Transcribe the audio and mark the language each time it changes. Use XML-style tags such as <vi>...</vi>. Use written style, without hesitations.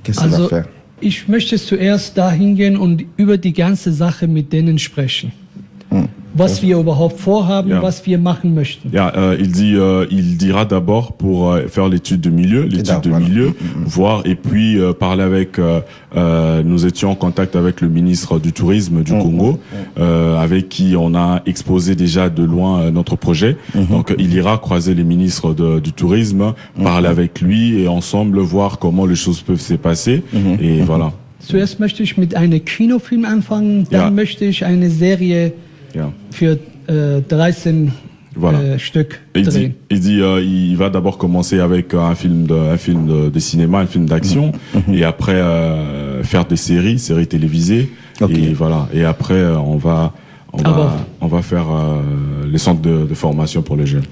<de>Also, ich möchte zuerst dahin gehen und über die ganze Sache mit denen sprechen. Was wir überhaupt vorhaben, was wir machen möchten.</de> <fr>Ja, il dira d'abord pour faire l'étude de milieu, milieu, voir et puis parler avec. Nous étions en contact avec le ministre du tourisme du Congo, avec qui on a exposé déjà de loin notre projet. Donc, il ira croiser les ministres du tourisme, parler avec lui et ensemble voir comment les choses peuvent se passer. Et voilà.</fr> <de>Zuerst möchte ich mit einem Kinofilm anfangen, dann möchte ich eine Serie. Für 13 Stück drehen.</de> <fr>Il va d'abord commencer avec un film de cinéma, un film d'action, et après faire des séries télévisées, et voilà. Et après on va faire les centres de formation pour les jeunes.</fr>